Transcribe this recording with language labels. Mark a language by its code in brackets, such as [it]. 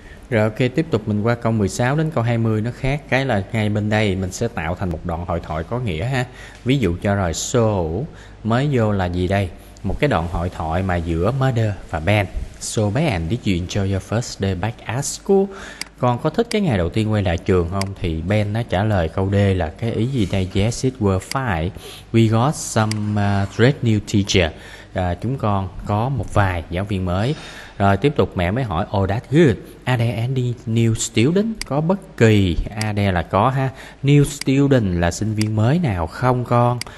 [vi] Rồi ok, tiếp tục mình qua câu 16 đến câu 20 nó khác. Cái là ngay bên đây mình sẽ tạo thành một đoạn hội thoại có nghĩa ha. Ví dụ cho rồi so mới vô là gì đây? Một cái đoạn hội thoại mà giữa mother và Ben. [en] So Ben, did you enjoy your first day back at school? [vi] Con có thích cái ngày đầu tiên quay lại trường không? Thì Ben nó trả lời câu D là cái ý gì đây? [en] Yes, it was fine. We got some great new teacher. [vi] Chúng con có một vài giáo viên mới. Rồi tiếp tục mẹ mới hỏi, [en] oh that's good. Are there any new students? [vi] Có bất kỳ, are there là có ha, new student là sinh viên mới nào không con?